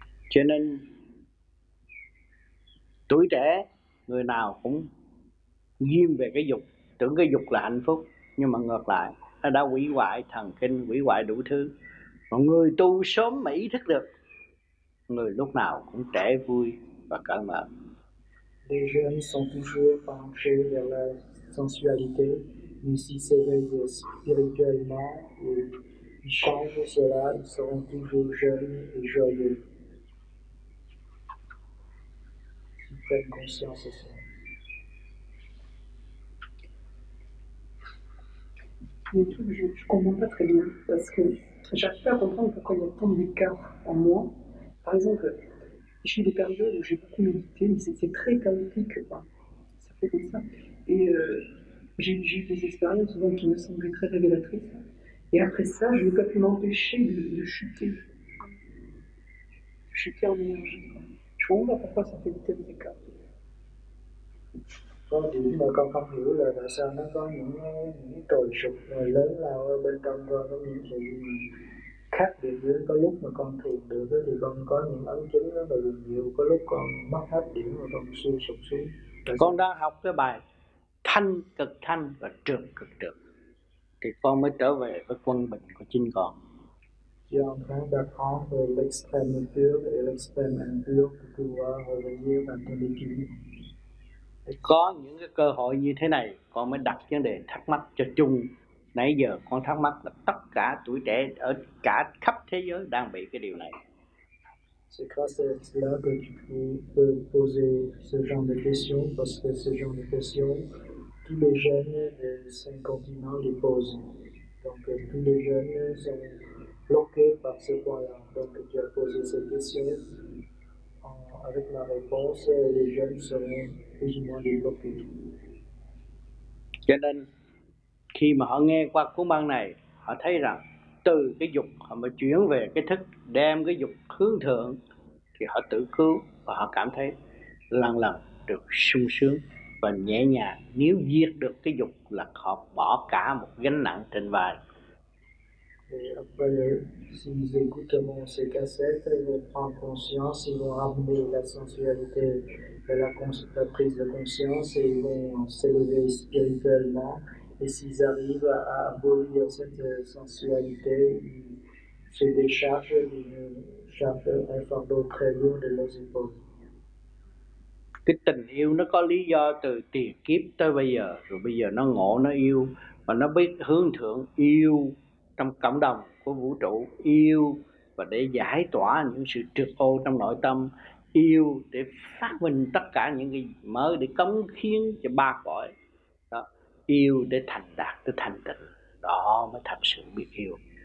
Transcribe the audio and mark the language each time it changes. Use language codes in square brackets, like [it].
[vi] Cho nên tuổi trẻ người nào cũng ghim về cái dục, tưởng cái dục là hạnh phúc, nhưng mà ngược lại nó đã hủy hoại thần kinh, hủy hoại đủ thứ, Mà người tu sớm mà ý thức được, người lúc nào cũng trẻ vui và cởi mở. [fr] Les jeunes sont toujours penchés vers la sensualité, mais s'ils s'éveillent spirituellement et ils changent cela, ils seront toujours jeunes et joyeux. S'ils prennent conscience de cela. Mais tout, je ne comprends pas très bien, parce que j'arrive pas à comprendre pourquoi il y a tant d'écart en moi. Par exemple, j'ai eu des périodes où j'ai beaucoup médité, mais c'était très chaotique, enfin, ça fait comme ça. Et j'ai eu des expériences souvent qui me semblaient très révélatrices. Et après ça, je n'ai pas pu m'empêcher de chuter. Chuter en énergie. Je ne comprends pas pourquoi ça fait des tels écarts. [vi] Con chỉ mà con không hiểu là tại sao nó có những trồi sụp rồi lớn lao ở bên trong con, có những gì mà khác biệt với có lúc mà con thiền được thì con có những ấn chứng rất là nhiều, có lúc con mất hết điểm mà con suy sụp xuống. Tại con đang học cái bài thanh cực thanh và trường cực trường thì con mới trở về với quân bình của chính con. Yeah, thank God for the experiment field, the experiment field to our new and to the new. Có những cái cơ hội như thế này, con mới đặt vấn đề thắc mắc cho chung. Nãy giờ con thắc mắc là tất cả tuổi trẻ ở cả khắp thế giới đang bị cái điều này. [fr] C'est grâce à cela que tu peux poser ce genre de questions, parce que ce genre de questions, tous les jeunes de 5 continents les posent. Donc tous les jeunes sont bloqués par ce point-là. Donc tu as posé cette question. Avec la réponse, les jeunes seront... [vi] Cho nên khi mà họ nghe qua cuốn băng này, họ thấy rằng từ cái dục họ mới chuyển về cái thức, đem cái dục hướng thượng, thì họ tự cứu và họ cảm thấy lần lần được sung sướng và nhẹ nhàng. Nếu diệt được cái dục là họ bỏ cả một gánh nặng trên vai. [fr] Et après, s'ils écoutent ces cassettes, ils vont prendre conscience, ils vont ramener la sensualité et la prise de conscience et ils vont s'élever spirituellement. Et s'ils arrivent à abolir cette sensualité, ils se déchargent d'une charge, un fardeau très lourd de leurs épaules. [vi] Cái tình yêu nó có lý do từ tiền kiếp tới bây giờ, rồi bây giờ nó ngộ, nó yêu, và nó biết hướng thượng yêu. Trong cộng đồng của vũ trụ yêu và để giải tỏa những sự trượt ô trong nội tâm, yêu để phát minh tất cả những cái mới để cống hiến cho ba cõi đó, yêu để thành đạt cái thành tựu đó mới thật sự biết yêu.